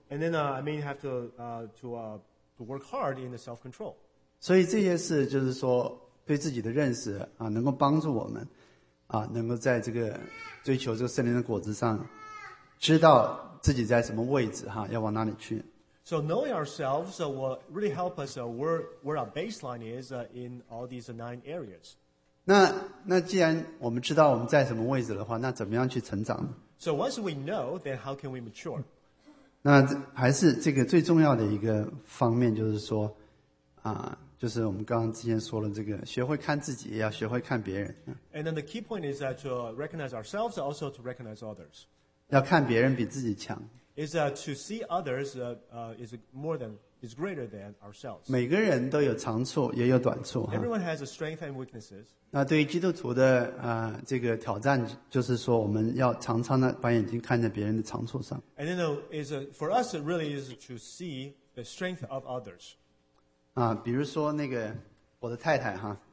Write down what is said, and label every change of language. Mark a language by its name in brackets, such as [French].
[English] And then I may have to work hard in the self-control. [Chinese] 所以这些事就是说对自己的认识啊能够帮助我们啊能够在这个追求这个圣灵的果子上知道自己在什么位置哈、啊、要往哪里去。 [English] So knowing ourselves will really help us where our baseline is in all these nine areas. [Chinese] 那既然我们知道我们在什么位置的话，那怎么样去成长呢 [English] ？So once we know, then how can we mature? [Chinese] 那还是这个最重要的一个方面，就是说，就是我们刚刚之前说了，这个学会看自己，也要学会看别人。 [English] And then the key point is that to recognize ourselves, also to recognize others. [Chinese] 要看别人比自己强。 [English] Is to see others is greater than ourselves. [Chinese] 每个人都有长处也有短处。 [English] Everyone has a strength and weaknesses. [Chinese] 那对于基督徒的这个挑战就是说我们要常常的把眼睛看在别人的长处上。 [English] And then for us it really is to see the strength of others. [Chinese] 啊比如说那个我的太太哈。